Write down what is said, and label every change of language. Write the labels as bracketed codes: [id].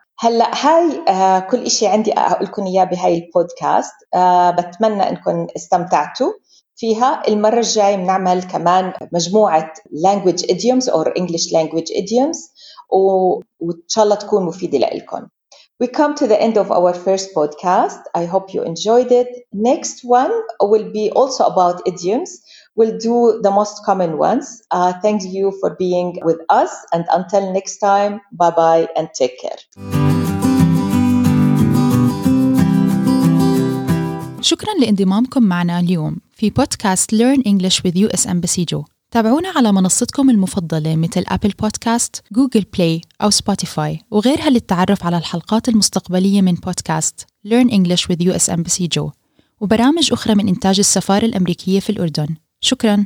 [ar] هلأ هاي كل إشي عندي أقولكم إياه بهاي البودكاست، بتمنى إنكم استمتعتوا فيها. المرة الجاي بنعمل كمان مجموعة [en] language idioms or English language idioms، [ar] وإن شاء الله تكون مفيدة لإلكم. [en] We come to the end of our first podcast. I hope you enjoyed it. Next one will be also about idioms. We'll do the most common ones. Thank you for being with us. And until next time, bye-bye and take care. [ar] شكرا لانضمامكم معنا اليوم في بودكاست Learn English with US Embassy Joe. تابعونا على منصتكم المفضلة مثل أبل بودكاست، جوجل بلاي أو سبوتيفاي وغيرها للتعرف على الحلقات المستقبلية من بودكاست Learn English with US Embassy Joe وبرامج أخرى من إنتاج السفارة الأمريكية في الأردن. شكراً.